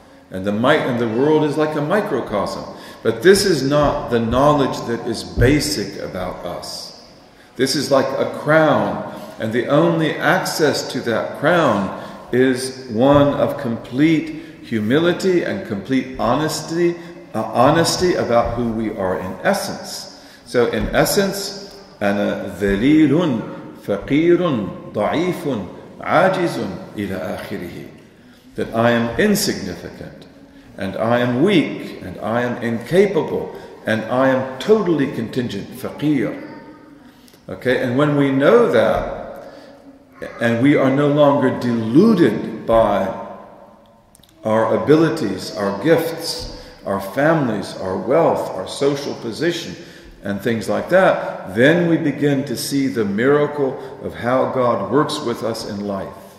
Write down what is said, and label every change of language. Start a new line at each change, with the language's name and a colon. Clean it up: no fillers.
English: And the world is like a microcosm. But this is not the knowledge that is basic about us. This is like a crown. And the only access to that crown is one of complete humility and complete honesty about who we are in essence. So in essence,
Arabic: أَنَا ذَلِيلٌ فَقِيرٌ ضَعِيفٌ عَاجِزٌ إِلَىٰ آخِرِهِ.
English: That I am insignificant, and I am weak, and I am incapable, and I am totally contingent, فَقِير. Okay, and when we know that, and we are no longer deluded by our abilities, our gifts, our families, our wealth, our social position, and things like that, then we begin to see the miracle of how God works with us in life.